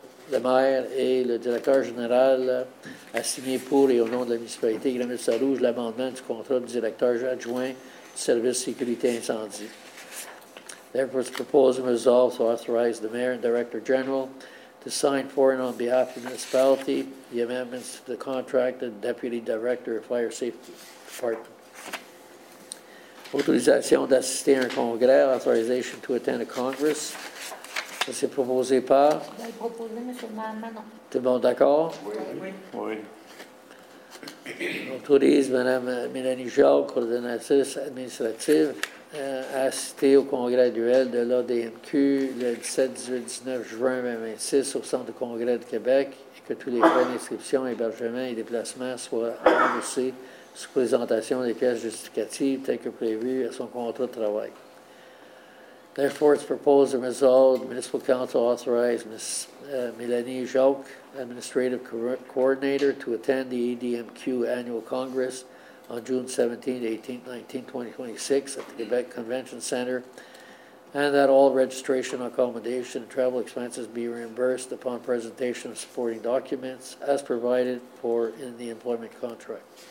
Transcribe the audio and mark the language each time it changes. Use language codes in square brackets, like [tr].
[fr] Le maire et le directeur général à signer pour et au nom de la municipalité de Grenoble-Sarrouge l'amendement du contrat du directeur adjoint du service sécurité incendie. [en] Therefore, it's proposed and resolved to authorize the mayor and director general to sign for and on behalf of the municipality the amendments to the contract of the Deputy Director of Fire Safety Department. [fr] Autorisation d'assister à un congrès, [en] authorization to attend a congress. [fr] Ça, c'est proposé par? Je vais le proposer, M. Manon. Tout le monde d'accord? Oui. Oui. Autorise Mme Mélanie Jacques, coordonnatrice administrative, à assister au congrès annuel de l'ADMQ le 17, 18, 19 juin 2026 au Centre de congrès de Québec et que tous les frais d'inscription, hébergement et déplacement soient remboursés sous présentation des pièces justificatives telles que prévues à son contrat de travail. [en] Therefore, it's proposed and resolved the municipal council authorize Ms. Mélanie Jacques, administrative coordinator, to attend the ADMQ annual congress on June 17th, 18th, 19th, 2026 at the Quebec Convention Center, and that all registration, accommodation, and travel expenses be reimbursed upon presentation of supporting documents as provided for in the employment contract.